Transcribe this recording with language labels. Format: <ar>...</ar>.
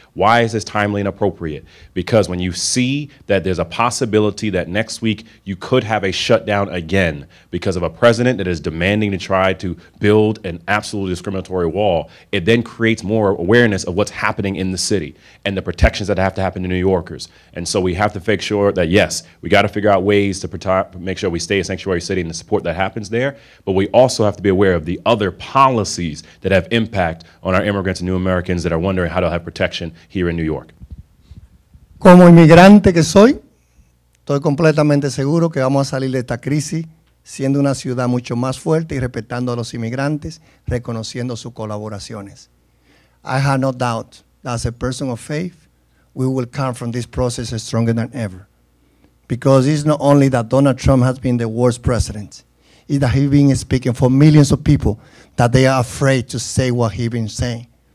<en>Why is this timely and appropriate? Because when you see that there's a possibility that next week you could have a shutdown again because of a president that is demanding to try to build an absolutely discriminatory wall, it then creates more awareness of what's happening in the city and the protections that have to happen to New Yorkers. And so we have to make sure that, yes, we got to figure out ways to make sure we stay a sanctuary city and the support that happens there, but we also have to be aware of the other policies that have impact on our immigrants and new Americans that are wondering how to have protection here in New York.</en> <es>Como inmigrante que soy, estoy completamente seguro que vamos a salir de esta crisis siendo una ciudad mucho más fuerte y respetando a los inmigrantes, reconociendo sus colaboraciones.</es> <en>I have no doubt that as a person of faith, we will come from this process stronger than ever. Because it's not only that Donald Trump has been the worst president, it's that he's been speaking for millions of people that they are afraid to say what he's been saying.</en>